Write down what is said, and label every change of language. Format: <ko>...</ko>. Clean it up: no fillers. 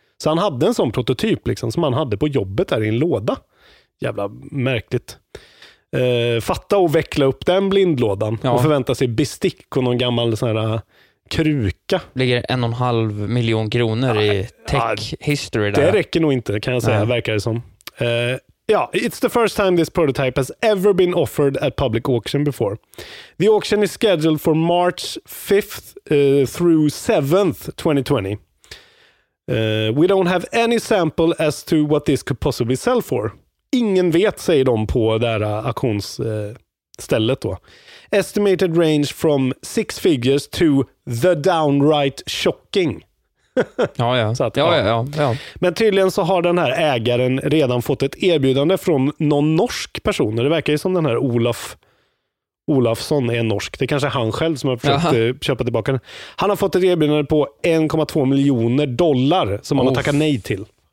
<sv>Så han hade en sån prototyp liksom som han hade på jobbet där i en låda. Jävla märkligt. Fatta och veckla upp den blindlådan, ja. Och förvänta sig bestick och någon gammal sån här... kruka. Ligger 1,5 miljon kronor, ja, i tech, ja, history där. Det räcker nog inte, kan jag säga. Nej. Verkar det som. Ja,</sv> <en>it's the first time this prototype has ever been offered at public auction before. The auction is scheduled for March 5th through 7th 2020. We don't have any sample as to what this could possibly sell for.</en> <sv>Ingen vet, säger de på där auktionsstället då.</sv> <en>Estimated range from 6 figures to the downright shocking.</en> <sv>Ja, ja. Så att, ja, ja, ja, ja. Men tydligen så har den här ägaren redan fått ett erbjudande från någon norsk person. Det verkar ju som den här Olafsson är norsk. Det är kanske han själv som har försökt, jaha, köpa tillbaka den. Han har fått ett erbjudande på $1.2 million som han har tackat nej till.</sv>